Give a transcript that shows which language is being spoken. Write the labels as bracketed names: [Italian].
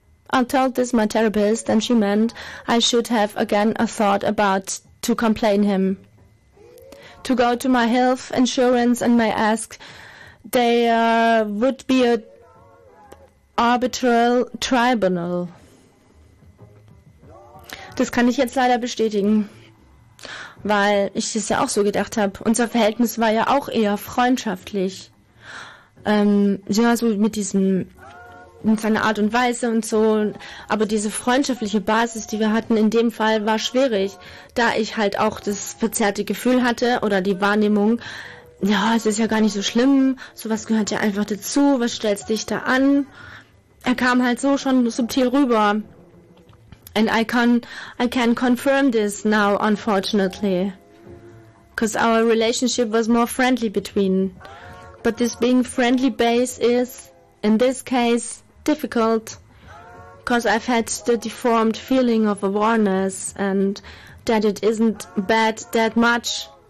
[English] I told this my therapist and she meant I should have again a thought about to complain him. To go to my health insurance and may ask there would be a arbitral tribunal. [German] Das kann ich jetzt leider bestätigen. Weil ich es ja auch so gedacht habe. Unser Verhältnis war ja auch eher freundschaftlich. Ja, so mit seiner Art und Weise und so. Aber diese freundschaftliche Basis, die wir hatten in dem Fall, war schwierig. Da ich halt auch das verzerrte Gefühl hatte oder die Wahrnehmung, ja, es ist ja gar nicht so schlimm. Sowas gehört ja einfach dazu. Was stellst dich da an? Er kam halt so schon subtil rüber. [English] And I can confirm this now, unfortunately. 'Cause our relationship was more friendly between. But this being friendly base is, in this case, difficult. 'Cause I've had the deformed feeling of awareness and that it isn't bad that much.